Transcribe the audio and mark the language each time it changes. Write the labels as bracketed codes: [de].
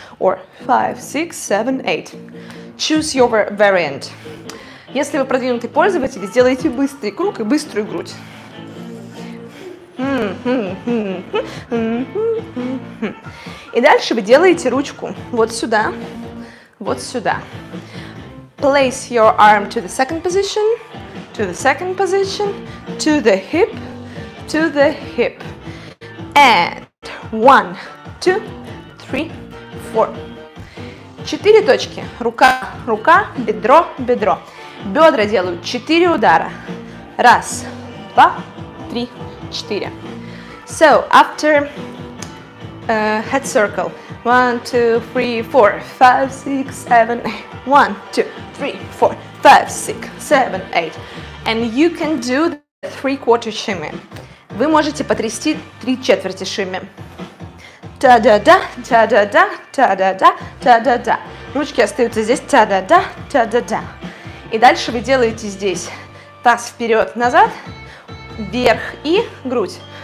[en] Or five, six, seven, eight. Choose your variant. [ru] Если вы продвинутый пользователь, сделайте быстрый круг и быструю грудь. И дальше вы делаете ручку вот сюда, вот сюда. [en] Place your arm to the second position, to the second position, to the hip, to the hip. And one, two, three, four. [ru] Четыре точки. Рука, рука, бедро, бедро. Бедра делают четыре удара. Раз, два, три, четыре. [en] So, after head circle, 1, 2, 3, 4, 5, 6, 7, 8, 1, 2, 3, 4, 5, 6, 7, 8, and you can do the three-quarter shimmy. [ru] Вы можете потрясти три четверти шимми. Та-да-да, та-да-да, та-да-да, та-да-да. Ручки остаются здесь, та-да-да, та-да-да. И дальше вы делаете здесь таз вперед-назад, вверх и грудь.